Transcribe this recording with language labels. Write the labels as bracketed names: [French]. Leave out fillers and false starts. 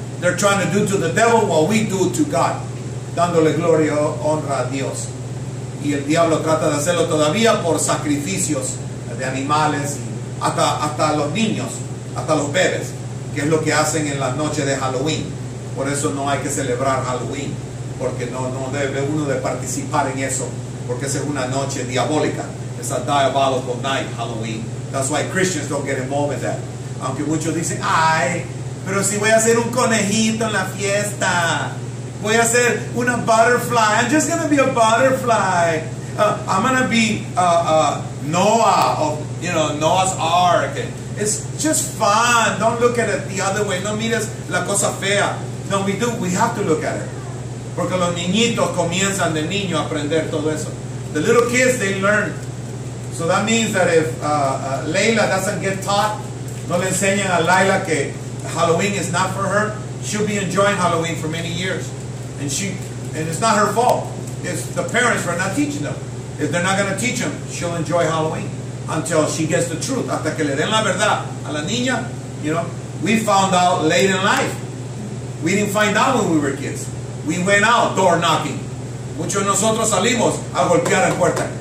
[English] They're trying to do to the devil what we do to God, [Spanish] dándole gloria y honra a Dios. Y el diablo trata de hacerlo todavía por sacrificios de animales, hasta los niños, hasta los bebés, que es lo que hacen en las noches de Halloween. Por eso no hay que celebrar Halloween, porque no debe uno de participar en eso, porque esa es una noche diabólica. [English] It's a diabolical night, Halloween. That's why Christians don't get involved in that. [Spanish] Aunque muchos dicen, ay, pero si voy a hacer un conejito en la fiesta, voy a ser una butterfly. [English] I'm just going to be a butterfly. I'm going to be Noah of, you know, Noah's Ark. It's just fun. Don't look at it the other way. [Spanish] No mires la cosa fea. [English] No, we do. We have to look at it. [Spanish] Porque los niñitos comienzan de niño a aprender todo eso. [English] The little kids, they learn. So that means that if Layla doesn't get taught, [Spanish] no le enseñan a Layla que [English] Halloween is not for her, she'll be enjoying Halloween for many years. And it's not her fault. It's the parents who are not teaching them. If they're not going to teach them, she'll enjoy Halloween until she gets the truth. [Spanish] Hasta que le den la verdad a la niña, you know. [English] We found out late in life. We didn't find out when we were kids. We went out door knocking. [Spanish] Muchos de nosotros salimos a golpear la puerta.